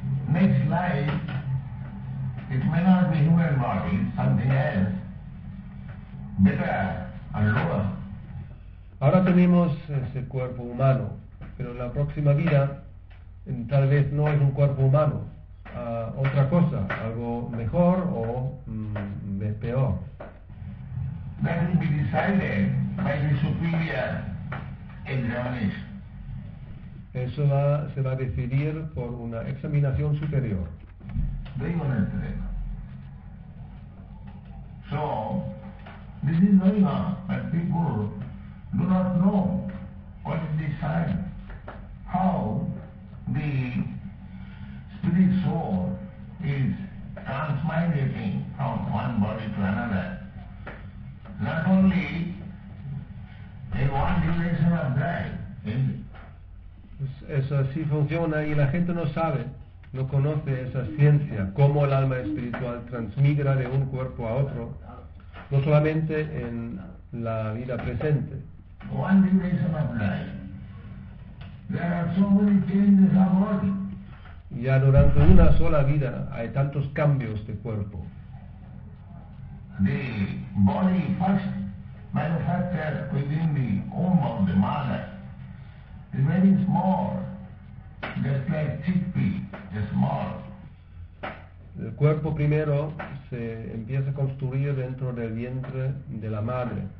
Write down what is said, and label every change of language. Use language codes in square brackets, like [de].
[en] Next life, it may not be human body, something else, better and lower. [es] Ahora tenemos ese cuerpo humano, pero en la próxima vida tal vez no es un cuerpo humano, otra cosa, algo mejor o peor. [en] That will be decided by the superior examination. [es] Eso se va a decidir por una examinación superior. [en] Very honestly. So, this is going on, but people do not know what is the sign, how the spirit soul is transmigrating from one body to another. Not only in one dimension of life, in [es] eso así funciona y la gente no sabe, no conoce esa ciencia, cómo el alma espiritual transmigra de un cuerpo a otro, no solamente en la vida presente. [en] One dimension of life. There are so many changes of body. [es] Ya durante una sola vida hay tantos cambios de cuerpo. [en] The body first manufactures within the womb of the mother. It's very small, just like chickpea, just small. [es] El cuerpo primero se empieza a construir dentro del vientre de la madre.